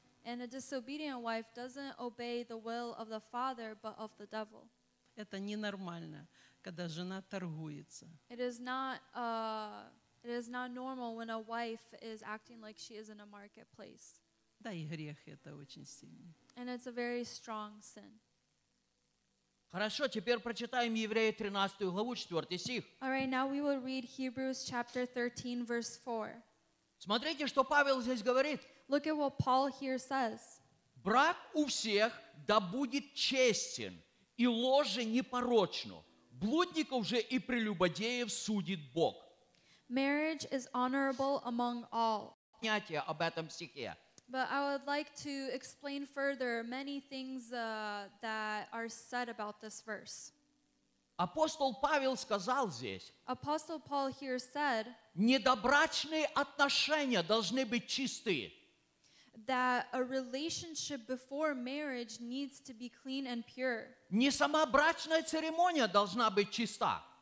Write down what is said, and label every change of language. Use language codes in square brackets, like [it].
[en] And a disobedient wife doesn't obey the will of the father, but of the devil. [ru] Это ненормально. когда жена торгуется. [en] It is not normal when a wife is acting like she is in a marketplace. [ru] Да, и грех это очень сильный. [en] And it's a very strong sin. [ru] Хорошо, теперь прочитаем Евреи 13 главу, 4 стих. [en] All right, now we will read Hebrews chapter 13, verse 4. [ru] Смотрите, что Павел здесь говорит. [en] Look at what Paul here says. [ru] Брак у всех да будет честен, и ложе непорочно. Блудников же и прелюбодеев судит Бог. [en] Marriage is honorable among all. [ru] Понятие об этом стихе. [en] But I would like to explain further many things that are said about this verse. [ru] Апостол Павел сказал здесь. [en] Apostle Paul here said. [ru] Недобрачные отношения должны быть чисты. [en] That a relationship before marriage needs to be clean and pure. [ru] Не сама брачная церемония должна быть чиста.